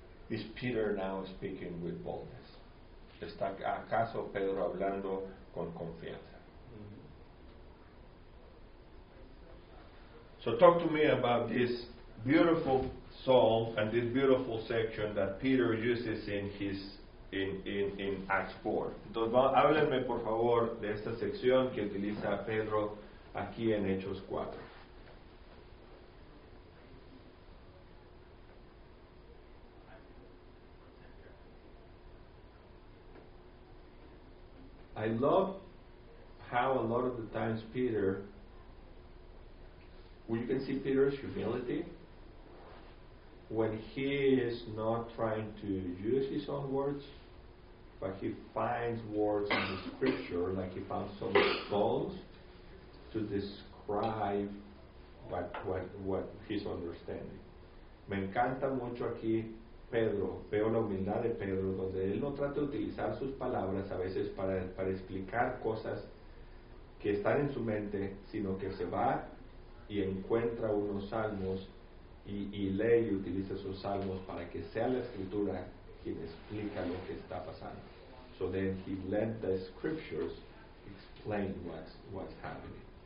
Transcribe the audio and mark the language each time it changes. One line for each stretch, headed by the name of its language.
English: Is Peter now speaking with boldness?
Spanish: ¿Está acaso Pedro hablando con confianza?
English: So talk to me about this beautiful psalm and this beautiful section that Peter uses in his in Acts 4.
Spanish: Entonces, háblenme por favor de esta sección que utiliza Pedro aquí en Hechos 4.
English: I love how a lot of the times Peter, well, you can see Peter's humility when he is not trying to use his own words, but he finds words in the scripture, like he found some bones to describe what he's understanding.
Spanish: Me encanta mucho aquí Pedro, veo la humildad de Pedro, donde él no trata de utilizar sus palabras a veces para explicar cosas que están en su mente, sino que se va y encuentra unos salmos y lee y utiliza esos salmos para que sea la escritura quien explica lo que está pasando.
English: So then he let the scriptures explain what's happening.